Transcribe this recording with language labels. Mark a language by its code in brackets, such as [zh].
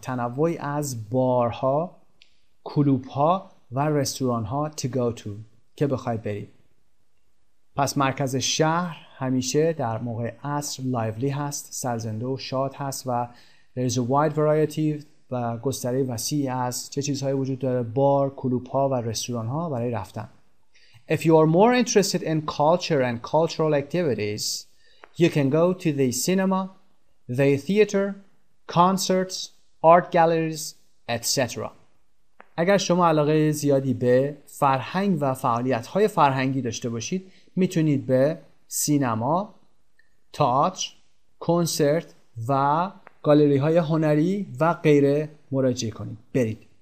[fa] تنوعی از بارها، کلوبها و رستورانها [en] to go to. [fa] که بخواید برید. پس مرکز شهر همیشه در موقع عصر لایولی هست، سرزنده و شاد هست و [en] there is a wide variety [fa] و گستره وسیعی از چه چیزهایی وجود داره بار، کلوب ها و رستوران ها برای رفتن. [en] If you are more interested in culture and cultural activities, you can go to the cinema, the theater, concerts, art galleries, etc. [fa] اگر شما علاقه زیادی به فرهنگ و فعالیت‌های فرهنگی داشته باشید، میتونید به سینما، تئاتر، کنسرت و گالری‌های هنری و غیره مراجعه کنید. برید.